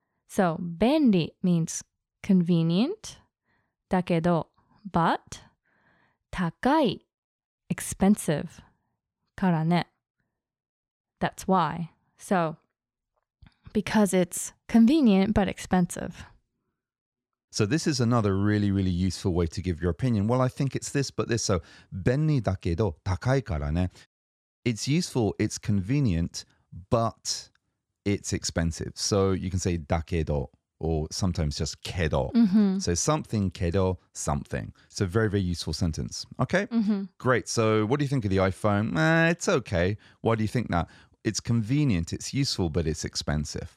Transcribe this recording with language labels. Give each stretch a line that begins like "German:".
English: So,
Japanese: 便利
English: means convenient,
Japanese: だけど,
English: but,
Japanese: 高い,
English: expensive,
Japanese: からね。
English: That's why. So, because it's convenient but expensive. So this is another really, really useful way to give your opinion. Well, I think it's this, but this.
Japanese: So, 便利だけど高いからね。
English: It's useful, it's convenient, but it's expensive. So you can say
Japanese: だけど,
English: or sometimes just
Japanese: けど.
English: Mm-hmm. So something
Japanese: けど,
English: something. So very, very useful sentence. Okay? Mm-hmm. Great. So what do you think of the iPhone? It's okay. Why do you think that? It's convenient, it's useful, but it's expensive.